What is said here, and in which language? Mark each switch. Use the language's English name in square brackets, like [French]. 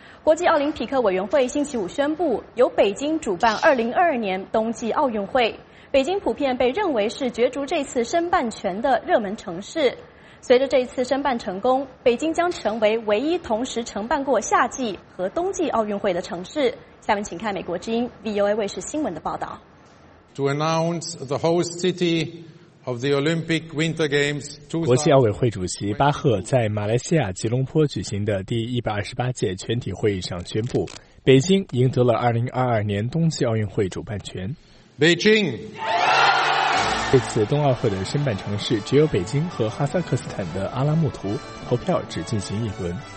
[Chinese] 国际奥林匹克委员会星期五宣布由北京主办2022年冬季奥运会，北京普遍被认为是角逐这次申办权的热门城市。随着这次申办成功，北京将成为唯一同时承办过夏季和冬季奥运会的城市。下面请看美国之音 VOA 卫视新闻的报道。 [English] To announce the host cityOf the Olympic Winter Games, [Chinese] 国际奥委会主席巴赫在马来西亚吉隆坡举行的第128届全体会议上宣布，北京赢得了2022年冬季奥运会主办权。北京，这次冬奥会的申办城市只有北京和哈萨克斯坦的阿拉木图，投票只进行一轮。